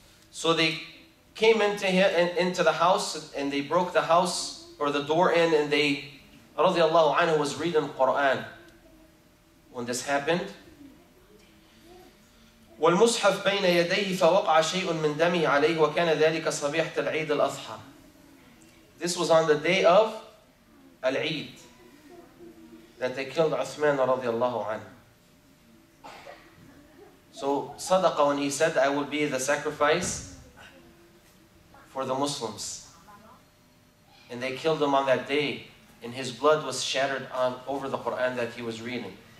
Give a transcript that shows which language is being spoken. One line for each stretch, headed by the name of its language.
English: So they came into the house and they broke the house or the door in, and they, radiallahu anhu, was reading Quran when this happened.
Arabic: والمصحف بين يديه فوقع شيء من دمي عليه وكان ذلك صبيحة العيد الأضحى.
English: This was on the day of Al-Eid that they killed Uthman radiallahu anhu. So Sadaqa, when he said I will be the sacrifice for the Muslims, and they killed him on that day, and his blood was shattered on over the Quran that he was reading.